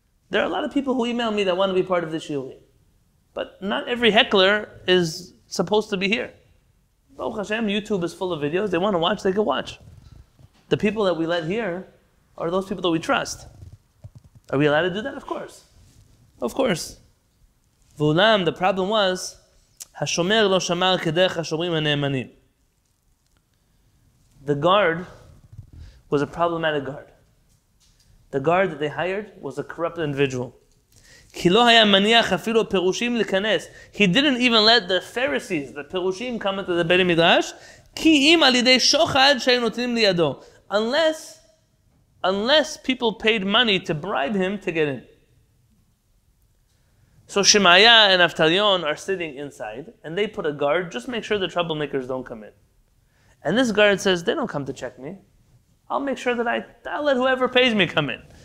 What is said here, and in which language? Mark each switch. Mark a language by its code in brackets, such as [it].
[en] There are a lot of people who email me that want to be part of this shiur. But not every heckler is supposed to be here. Baruch Hashem, YouTube is full of videos. They want to watch, they can watch. The people that we let here are those people that we trust. Are we allowed to do that? Of course. Of course. [he] V'ulam, [en] the problem was, [he] השומר לא שמר כדרך השומרים הנאמנים. [en] The guard was a problematic guard. The guard that they hired was a corrupt individual. [he] כי לא היה מניח אפילו פירושים לכנס. [en] He didn't even let the Pharisees, the פירושים, come into the Beit HaMidrash, [he] כי אם על ידי שוחד שהיו נותנים לידו. [en] Unless people paid money to bribe him to get in. So Shemaya and Avtalion are sitting inside, and they put a guard, just make sure the troublemakers don't come in. And this guard says, they don't come to check me. I'll make sure that I'll let whoever pays me come in.